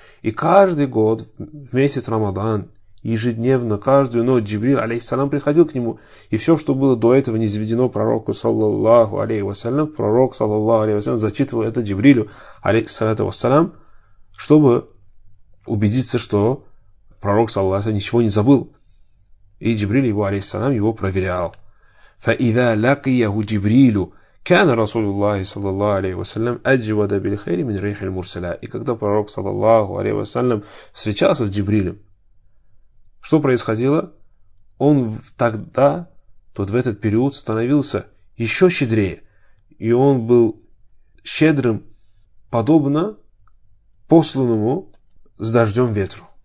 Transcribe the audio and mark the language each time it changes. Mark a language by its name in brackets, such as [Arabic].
[Russian] И каждый год в месяц Рамадан ежедневно, каждую ночь Джибриль, алейхиссалам, приходил к нему, и все, что было до этого низведено пророку, саллаллаху алейхи вассалям, пророк, саллаллаху алейхи вассалям, зачитывал это Джибрилю, алейхиссалату вассалям, чтобы убедиться, что пророк, саллаллаху алейхи вассалям, ничего не забыл. И Джибриль его, алейхиссалам, его проверял. [Arabic] فَإِذَا لَقِيَهُ Джибрилю كَانَ رَسُولُ اللَّهِ صَلَّى اللَّهُ عَلَيْهِ وَسَلَّمْ أَجْوَدَ بِالْخَيْرِ مِنْ رِيْحِ الْمُرْسَلَى. [Russian] И когда пророк, саллаллаху алейхи вассалям, встречался с Джибрилем, что происходило? Он тогда, вот в этот период, становился еще щедрее. И он был щедрым, подобно посланному с дождем ветру.